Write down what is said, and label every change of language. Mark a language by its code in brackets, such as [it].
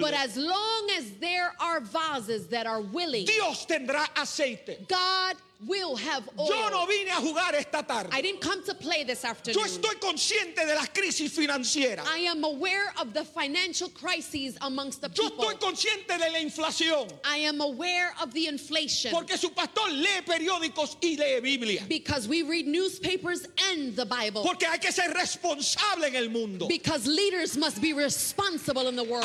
[en] but as long as there are vases that are willing, [es] Dios tendrá aceite. [en] God will have all. [es] Yo no vine a jugar esta tarde. [en] I didn't come to play this afternoon. [es] Yo estoy consciente de las crisis financieras. [en] I am aware of the financial crises amongst the people. [es] Yo estoy consciente de la inflación. [en] I am aware of the inflation. [es] Porque su pastor lee periódicos y lee Biblia. [en] Because we read newspapers and the Bible. [es] Porque hay que ser responsable en el mundo. [en] Because leaders must be responsible in the world.